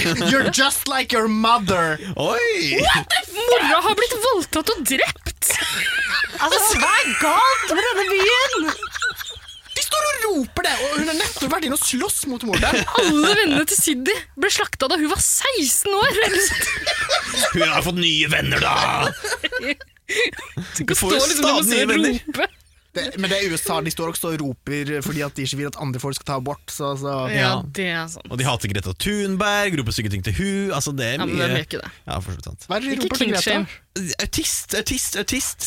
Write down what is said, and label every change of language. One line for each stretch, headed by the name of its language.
English: «You're just like your mother!» Oi! «What the f***?
Norwegian: Mora har blitt voldtatt og drept!» Altså, hva er galt med denne byen? De står og roper det, og hun er nettopp vært inn og slåss mot morderen. Alle vennene til Siddi ble slaktet da hun var 16 år. Hun har fått nye venner da. Du får jo stadig nye venner. Det, men det er USA, de står også og roper fordi at de ikke vil at andre folk skal ta abort så, så. Ja, ja, det er sant. Og de hater Greta Thunberg, roper syke ting til hu. Altså det er mye. Ja, men det er ikke det. Ja, for sånn sant. Hva er det de roper til Greta? Autist.